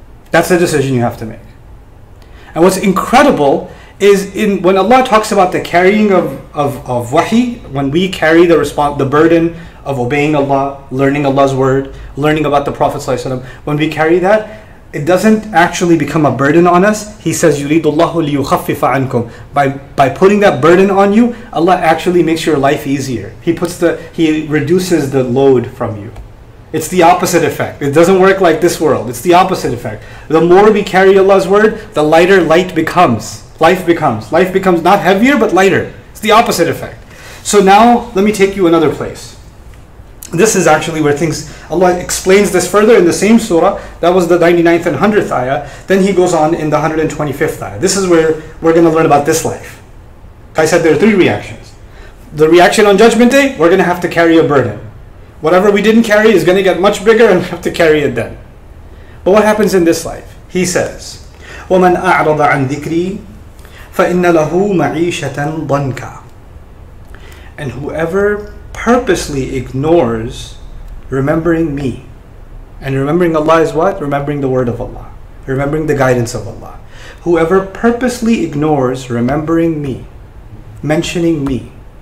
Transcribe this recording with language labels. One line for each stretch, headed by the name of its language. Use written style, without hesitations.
English: That's the decision you have to make. And what's incredible is when Allah talks about the carrying of wahi, when we carry the burden of obeying Allah, learning Allah's word, learning about the Prophet ﷺ, when we carry that, it doesn't actually become a burden on us. He says,
Arabic: يُرِيدُ اللَّهُ لِيُخَفِّفَ عَنْكُمْ.
English: By putting that burden on you, Allah actually makes your life easier. He reduces the load from you. It's the opposite effect. It doesn't work like this world. It's the opposite effect. The more we carry Allah's word, the lighter light becomes. Life becomes. Life becomes not heavier, but lighter. It's the opposite effect. So now, let me take you another place. This is actually where things, Allah explains this further in the same surah. That was the 99th and 100th ayah. Then he goes on in the 125th ayah. This is where we're going to learn about this life. I said there are three reactions. The reaction on Judgment Day, we're going to have to carry a burden. Whatever we didn't carry is going to get much bigger and we have to carry it then. But what happens in this life? He says,
Arabic: وَمَنْ أَعْرَضَ عَنْ ذِكْرِي فَإِنَّ لَهُ مَعِيشَةً ضَنْكَ.
English: And whoever purposely ignores remembering me. And remembering Allah is what? Remembering the word of Allah. Remembering the guidance of Allah. Whoever purposely ignores remembering me, mentioning me,